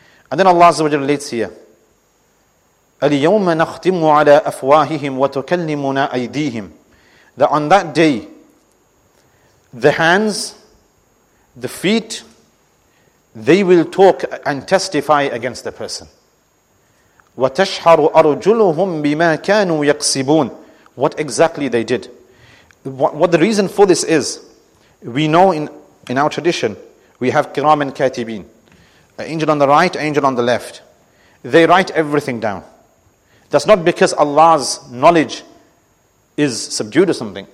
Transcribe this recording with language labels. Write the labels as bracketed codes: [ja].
[en] And then Allah relates here, [ar] أَلْيَوْمَ نَخْتِمُ عَلَىٰ أَفْوَاهِهِمْ وَتُكَلِّمُنَا أَيْدِيهِمْ, [en] that on that day, the hands, the feet, they will talk and testify against the person. [ar] وَتَشْحَرُ أَرْجُلُهُمْ بِمَا كَانُوا يَقْسِبُونَ, [en] what exactly they did. What the reason for this is, we know in our tradition, we have kiram and katibin, an angel on the right, an angel on the left. They write everything down. That's not because Allah's knowledge is subdued or something.